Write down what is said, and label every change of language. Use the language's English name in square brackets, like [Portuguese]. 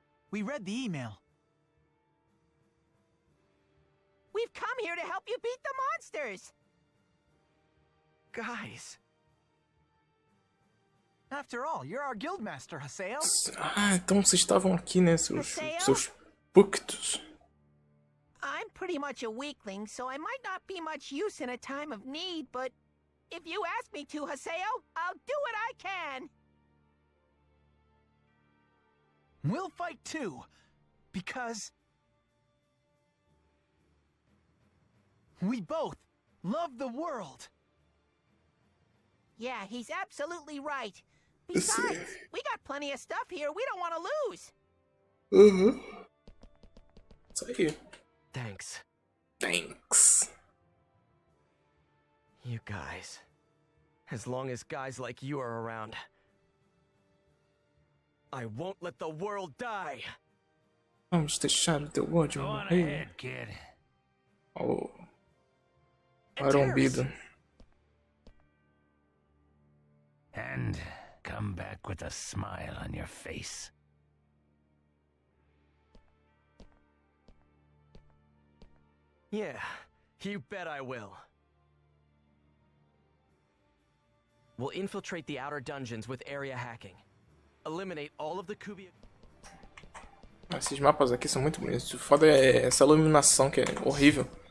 [English] We read the email. We've come here to help you beat the monsters! Guys... After all, you're our guildmaster, Haseo. [Portuguese] Ah, então vocês estavam aqui, né, seus púctos. [English] I'm pretty much a weakling, so I might not be much use in a time of need, but if you ask me to, Haseo, I'll do what I can. We'll fight too, because we both love the world. Yeah, he's absolutely right. Besides, we got plenty of stuff here we don't want to lose. [Portuguese] Uh-huh. Isso aí. [English] Thanks. Thanks. You guys. As long as guys like you are around, I won't let the world die. [Portuguese] Vamos deixar o teu ódio morrer. Oh, arrombido. [English] And come back with a smile on your face. Yeah, you bet I will. We'll infiltrate the outer dungeons with area hacking. Eliminate all of the Kubia. [Portuguese] Esses mapas aqui são muito bonitos. O foda é essa iluminação que é horrível.